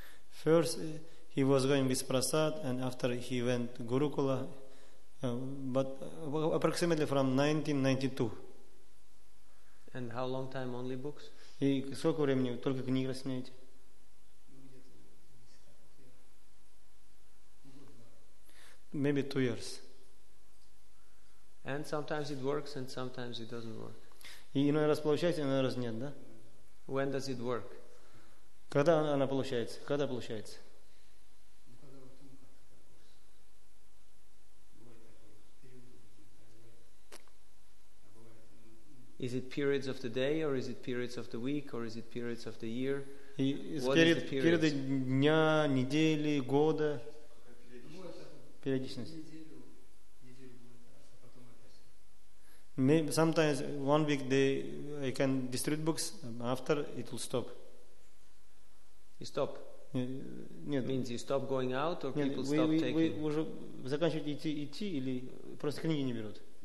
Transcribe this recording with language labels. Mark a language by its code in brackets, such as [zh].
[en] First, he was going with Prasad, and after he went to Gurukula, but approximately from 1992. And how long time only books? [ru] И сколько времени только книги распространяете? [en] Maybe 2 years. And sometimes it works, and sometimes it doesn't work. [ru] И иной раз получается, иной раз нет, да? [en] When does it work? [ru] Когда она получается? Когда получается? [en] Is it periods of the day, or is it periods of the week, or is it periods of the year? [ru] Периоды дня, недели, года. Периодичность. [en] Sometimes one week I can distribute books. After it will stop. You stop. [ru] Нет. [en] Means you stop going out, or people stop taking. [ru] Вы уже заканчиваете идти или просто книги не берут?